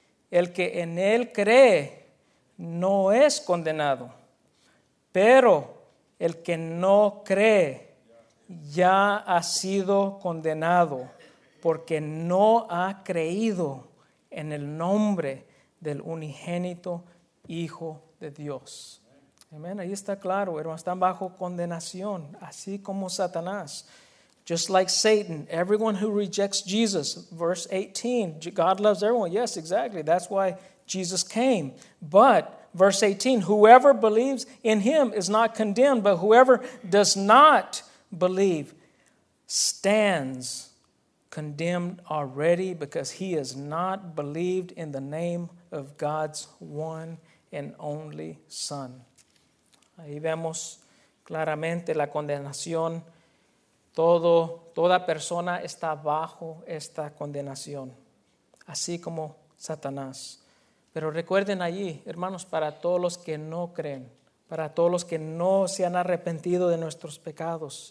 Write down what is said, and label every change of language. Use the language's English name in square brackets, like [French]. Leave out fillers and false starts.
[Spanish] El que en Él cree no es condenado, pero el que no cree ya ha sido condenado porque no ha creído en el nombre del unigénito Hijo de Dios. Amén. Ahí está claro, hermanos, están bajo condenación, así como Satanás. [English] Just like Satan, everyone who rejects Jesus, verse 18, God loves everyone. Yes, exactly. That's why Jesus came. But verse 18, whoever believes in him is not condemned, but whoever does not believe stands condemned already because he has not believed in the name of God's one and only Son. [Spanish] Ahí vemos claramente la condenación. Toda persona está bajo esta condenación, así como Satanás. Pero recuerden allí, hermanos, para todos los que no creen, para todos los que no se han arrepentido de nuestros pecados.